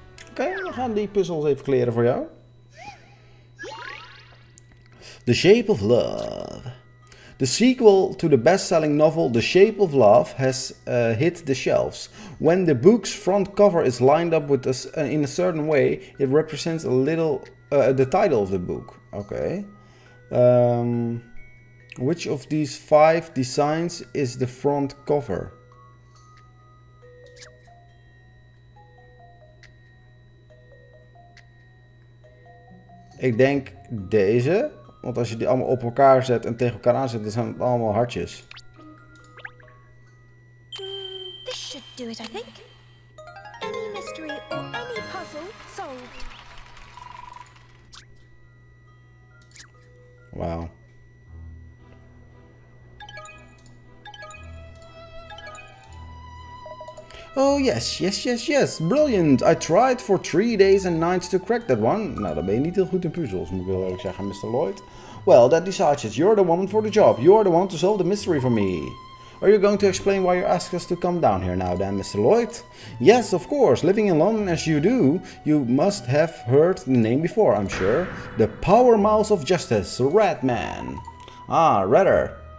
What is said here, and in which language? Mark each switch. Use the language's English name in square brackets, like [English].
[Dutch] Okay, we gaan die puzzels even kleren voor jou. [English] The Shape of Love. The sequel to the best-selling novel The Shape of Love has hit the shelves. When the book's front cover is lined up with in a certain way, it represents a little the title of the book. Okay. Which of these five designs is the front cover? [Dutch] Ik denk deze. Want als je die allemaal op elkaar zet en tegen elkaar aanzet, dan zijn het allemaal hartjes. [English] This should do it, I think. Any mystery or any puzzle solved. Wow. Oh yes, yes, yes, yes. Brilliant. I tried for 3 days and nights to crack that one. [Dutch] Nou, dan ben je niet heel goed in puzzels, moet ik wel eerlijk zeggen, Mr. [English] Lloyd. Well, that decides it. You're the woman for the job. You're the one to solve the mystery for me. Are you going to explain why you ask us to come down here now then, Mr. Lloyd? Yes, of course. Living in London as you do, you must have heard the name before, I'm sure. The Power Mouse of Justice, Redman. Ah, Redder.